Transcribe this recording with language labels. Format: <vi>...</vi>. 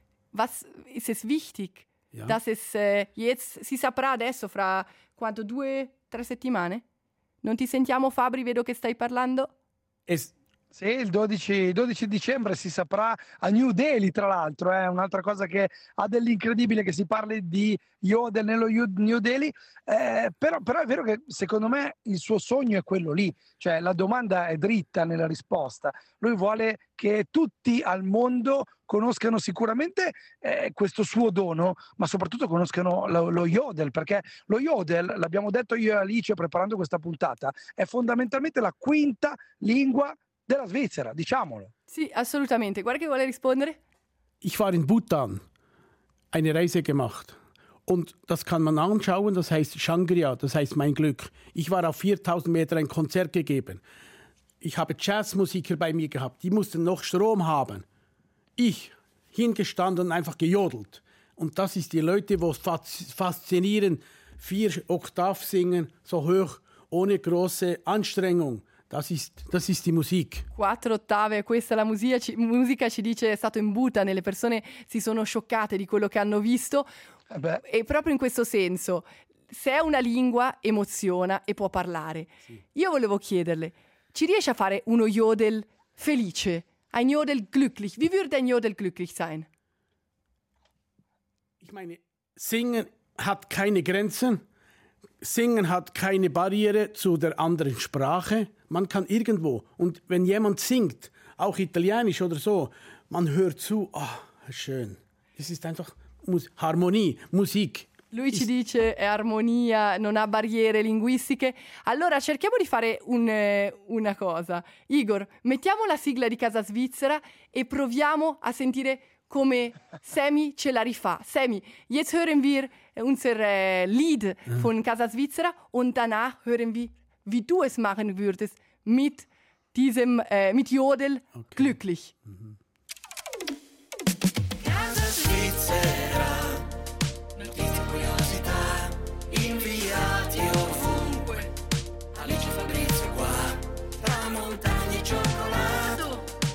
<de>Was ist es wichtig, ja, dass es jetzt,</de> <it>si saprà adesso, fra quanto, 2-3 settimane? Non ti sentiamo, Fabri, vedo che stai parlando? Sì, il 12 dicembre si saprà a New Delhi, tra l'altro, è un'altra cosa che ha dell'incredibile, che si parli di Jodel nello New Delhi, però è vero che secondo me il suo sogno è quello lì, cioè la domanda è dritta nella risposta, lui vuole che tutti al mondo conoscano sicuramente questo suo dono, ma soprattutto conoscano lo Jodel, perché lo Jodel, l'abbiamo detto io e Alice preparando questa puntata, è fondamentalmente la quinta lingua della Svizzera, diciamolo. Sì, assolutamente. Guarda che vuole rispondere.</it> <de>Ich war in Bhutan, eine Reise gemacht. Und das kann man anschauen, das heißt Shangri-La, das heißt mein Glück. Ich war auf 4000 Meter ein Konzert gegeben. Ich habe Jazzmusiker bei mir gehabt, die mussten noch Strom haben. Ich hingestanden und einfach gejodelt. Und das ist die Leute, die faszinieren, 4 Oktav singen, so hoch, ohne große Anstrengung. Das ist die Musik.</de> <it>4 ottave, questa è la musica, ci dice, è stato in Bhutan, le persone si sono scioccate di quello che hanno visto. Beh. E proprio in questo senso, se è una lingua, emoziona e può parlare. Sì. Io volevo chiederle, ci riesce a fare uno Jodel felice?</it> <de>Ein Jodel glücklich? Wie würde ein Jodel glücklich sein? Ich meine, singen hat keine Grenzen. Singen hat keine Barriere zu der anderen Sprache. Man kann irgendwo, und wenn jemand singt, auch italienisch oder so, man hört zu, oh, schön. Es ist einfach Harmonie, Musik.</de> <it>Lui ci dice, è armonia, non ha barriere linguistiche. Allora, cerchiamo di fare una cosa. Igor, mettiamo la sigla di Casa Svizzera e proviamo a sentire come Sammy ce la rifà.</it> <de>Sammy, jetzt hören wir unser Lied von Casa Svizzera und danach hören wir, wie du es machen würdest mit diesem mit Jodel, okay, glücklich.</de> <it>Casa Svizzera, notizie, curiosità, inviati ovunque. Alice, Fabrizio qua, tra montagne e cioccolato.</it>